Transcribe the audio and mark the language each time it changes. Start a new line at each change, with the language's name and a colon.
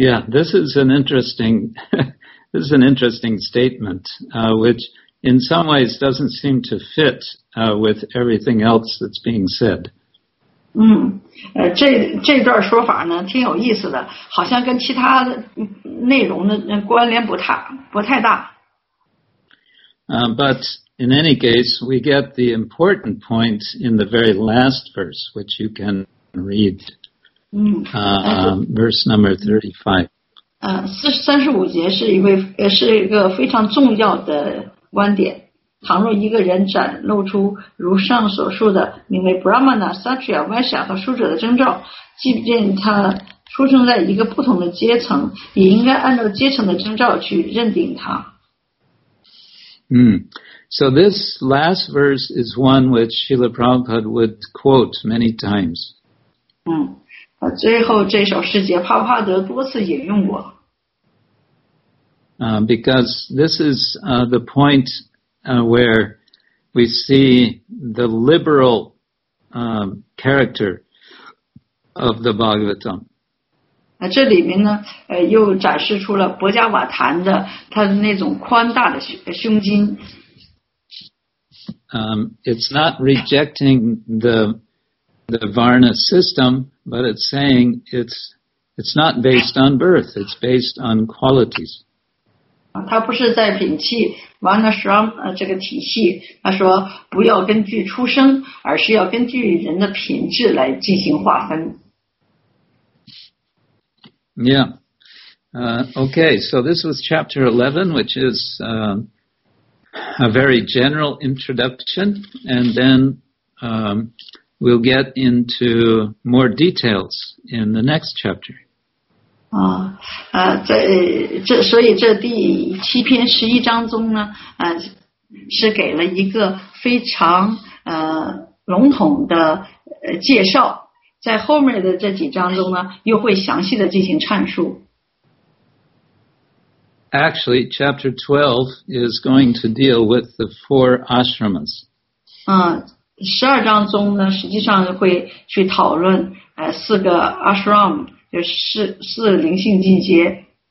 English: This is an interesting, this is an interesting statement, which in some ways doesn't seem to fit, with everything else that's being said.
Chinese: 这段说法呢挺有意思的，好像跟其他内容的关联不太大。
English: But in any case, we get the important point in the very last verse, which you can read. Verse number 35.
Chinese: 35节是一个非常重要的观点。倘若一个人展露出如上所述的名为 Brahmana, Satriya, Vaishya 和书者的征兆，即便他出生在一个不同的阶层，也应该按照阶层的征兆去认定他。
English: So this last verse is one which Srila Prabhupada would quote many times.
Chinese: 最后这首诗节帕帕德多次引用过。
English: Because this is the point where we see the liberal character of the Bhagavatam.
Chinese: 这里面呢又展示出了博加瓦坛的他的那种宽大的胸襟。
English: It's not rejecting the Varna system, but it's saying it's not based on birth, it's based on qualities.
Chinese: 他不是在摒弃 Varna Shram 这个体系，他说不要根据出生，而是要根据人的品质来进行划分。
English: Yeah. Okay, so this was chapter 11, which is a very general introduction, and then we'll get into more details in the next chapter.
Chinese: 所以这第七篇十一章中呢，是给了一个非常笼统的介绍，在后面的这几章中呢，又会详细的进行阐述。
English: Actually, chapter 12 is going to deal with the four ashramas.
Chinese: 十二章中呢，实际上会去讨论四个 ashram， 就是四灵性境界。